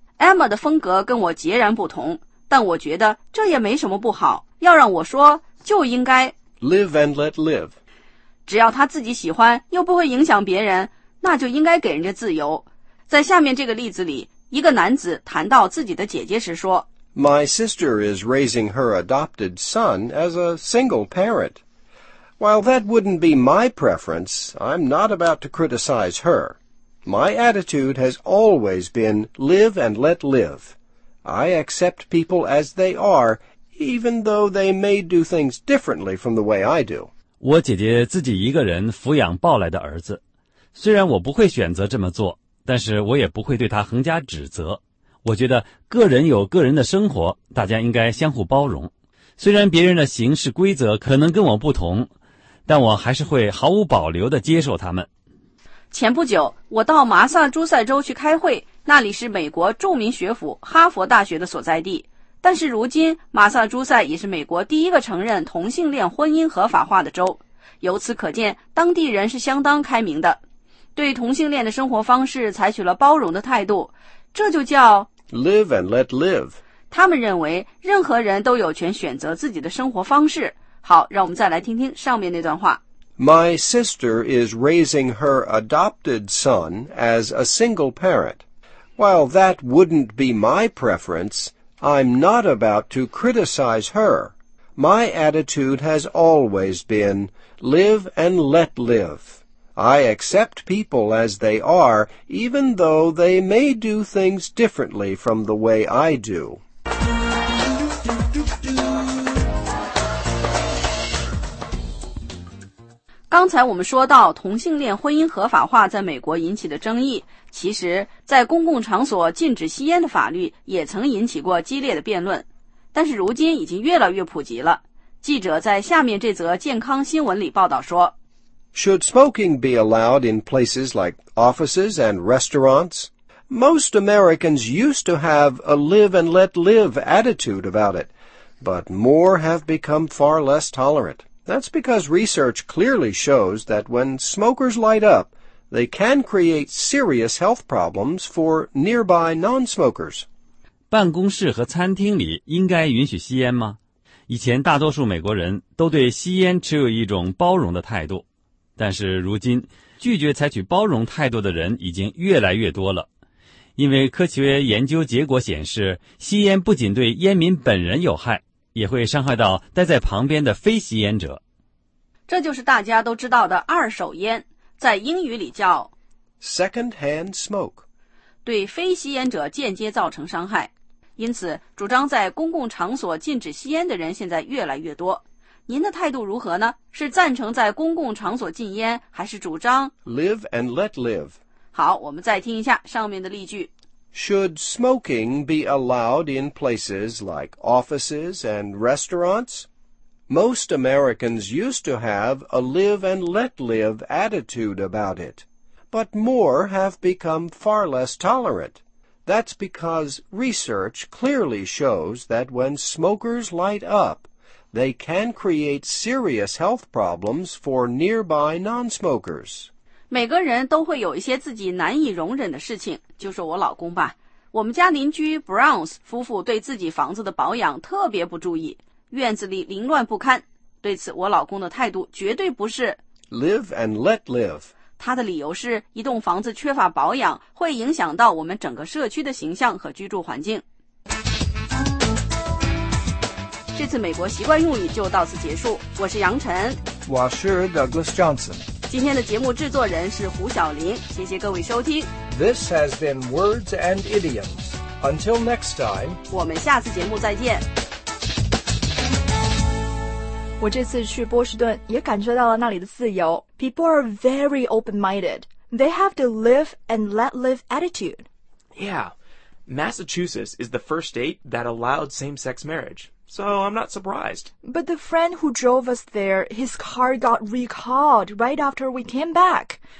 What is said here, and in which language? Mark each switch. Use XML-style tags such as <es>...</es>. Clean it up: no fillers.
<zh>Emma 的风格跟我截然不同，但我觉得这也没什么不好。要让我说就应该</zh> <en>Live and let live.</en> <zh>只要他自己喜欢又不会影响别人，那就应该给人家自由。在下面这个例子里，一个男子谈到自己的姐姐时说</zh> <en>My sister is raising her adopted son as a single parent. While that wouldn't be my preference, I'm not about to criticize her. My attitude has always been live and let live. I accept people as they are, even though they may do things differently from the way I do.</en> <zh>我姐姐自己一个人抚养抱来的儿子。虽然我不会选择这么做，但是我也不会对她横加指责。我觉得个人有个人的生活，大家应该相互包容。虽然别人的行事规则可能跟我不同，但我还是会毫无保留地接受他们。前不久，我到马萨诸塞州去开会，那里是美国著名学府哈佛大学的所在地。但是如今，马萨诸塞已是美国第一个承认同性恋婚姻合法化的州。由此可见，当地人是相当开明的，对同性恋的生活方式采取了包容的态度。这就叫</zh> <en>live and let live.</en> <zh>他们认为任何人都有权选择自己的生活方式。好，让我们再来听听上面那段话。</zh> <en>My sister is raising her adopted son as a single parent. While that wouldn't be my preference, I'm not about to criticize her. My attitude has always been, live and let live. I accept people as they are, even though they may do things differently from the way I do.</en> <zh>刚才我们说到同性恋婚姻合法化在美国引起的争议，其实在公共场所禁止吸烟的法律也曾引起过激烈的辩论，但是如今已经越来越普及了。记者在下面这则健康新闻里报道说，</zh> <en>Should smoking be allowed in places like offices and restaurants? Most Americans used to have a live and let live attitude about it, but more have become far less tolerant. That's because research clearly shows that when smokers light up, they can create serious health problems for nearby non-smokers.</en> <zh>办公室和餐厅里应该允许吸烟吗？以前大多数美国人都对吸烟持有一种包容的态度，但是如今，拒绝采取包容态度的人已经越来越多了。因为科学研究结果显示，吸烟不仅对烟民本人有害，也会伤害到待在旁边的非吸烟者。这就是大家都知道的二手烟，在英语里叫</zh> <en>Secondhand smoke，</en> <zh>对非吸烟者间接造成伤害。因此主张在公共场所禁止吸烟的人现在越来越多。您的态度如何呢？是赞成在公共场所禁烟，还是主张</zh> <en>Live and let live？</en> <zh>好，我们再听一下上面的例句。</zh> <en>Should smoking be allowed in places like offices and restaurants? Most Americans used to have a live and let live attitude about it, but more have become far less tolerant. That's because research clearly shows that when smokers light up, they can create serious health problems for nearby non-smokers.</en> <zh>每个人都会有一些自己难以容忍的事情，就说我老公吧。我们家邻居 Browns 夫妇对自己房子的保养特别不注意，院子里凌乱不堪。对此我老公的态度绝对不是</zh> <en>Live and let live，</en> <zh>他的理由是一栋房子缺乏保养会影响到我们整个社区的形象和居住环境。这次美国习惯用语就到此结束，我是杨晨，我是 Douglas Johnson。今天的节目制作人是胡晓琳，谢谢各位收听。</zh> <en>This has been Words and Idioms. Until next time.</en> <zh>我们下次节目再见。我这次去波士顿也感受到了那里的自由。</zh> <en>People are very open-minded. They have the live and let live attitude. Yeah. Massachusetts is the first state that allowed same-sex marriage. So I'm not surprised. But the friend who drove us there, his car got recalled right after we came back.</en>